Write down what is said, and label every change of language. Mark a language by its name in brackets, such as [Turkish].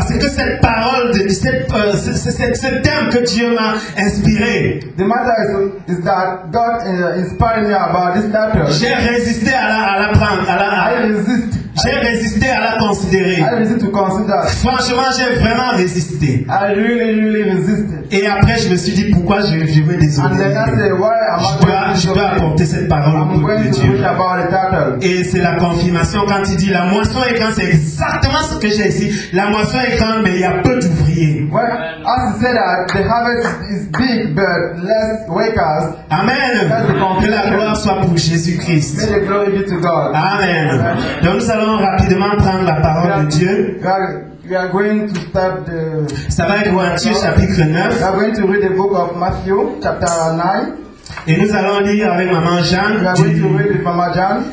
[French] C'est que cette parole, ce terme que Dieu m'a inspiré. [English] The matter is that God inspired me about this matter. [French] J'ai résisté à la considérer. Franchement, j'ai vraiment résisté. [English] I really resisted. [French] Et après, je me suis dit pourquoi je veux désobéir. Je dois apporter cette parole au peuple de Dieu. [English] About the [French] et c'est la confirmation quand il dit la moisson est grande, c'est exactement ce que j'ai dit. La moisson est grande, mais il y a peu d'ouvriers. [English] Well, as he said that the harvest is big, but less workers. [French] Amen. Que la gloire soit pour Jésus-Christ. [English] May the glory be to God. Amen. [French] Donc nous allons rapidement prendre la parole de Dieu. [English] We are going to start the. [French] Ça va être Matthieu chapitre 9. [English] We are going to read the book of Matthew chapter 9. [French] Et nous allons lire avec maman Jeanne. [English] We are going to read with Mama Jean.